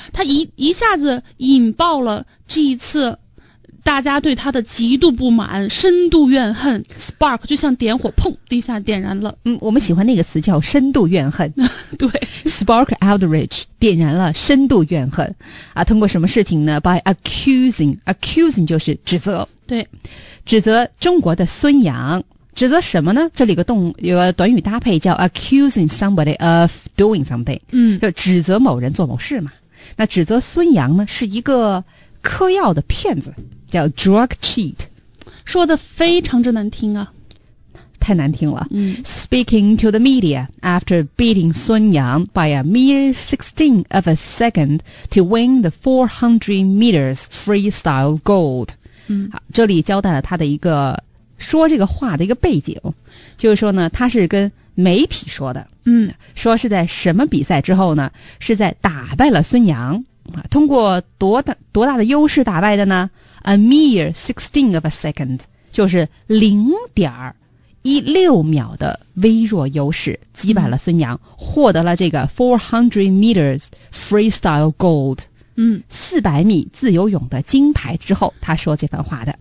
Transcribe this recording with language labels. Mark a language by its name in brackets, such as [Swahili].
[Chinese] 它一下子引爆了这一次大家对他的极度不满，深度怨恨 ,spark 就像点火砰地下点燃了。我们喜欢那个词叫深度怨恨。对。 [English] spark outrage, [Chinese] 点燃了深度怨恨。啊，通过什么事情呢 ? [English] by accusing [Chinese] 就是指责。对。指责中国的孙杨。指责什么呢？这里有个短语搭配叫 [English] accusing somebody of doing something。 [Chinese] 就指责某人做某事嘛。那指责孙杨呢是一个嗑药的骗子。叫 [English] drug cheat, [Chinese] 说的非常之难听啊，太难听了。 [English] Speaking to the media after beating Sun Yang by a mere 16th of a second to win the 400 meters freestyle gold. [Chinese] 好，这里交代了他的一个说这个话的一个背景，就是说呢，他是跟媒体说的。说是在什么比赛之后呢？是在打败了孙杨啊，通过多大的优势打败的呢？ [English] A mere 16 of a second, [Chinese] 就是 0.16 秒的微弱优势击败了孙杨，获得了这个 [English] 400 meters freestyle gold, [Chinese] 400米自由泳的金牌之后他说这番话的。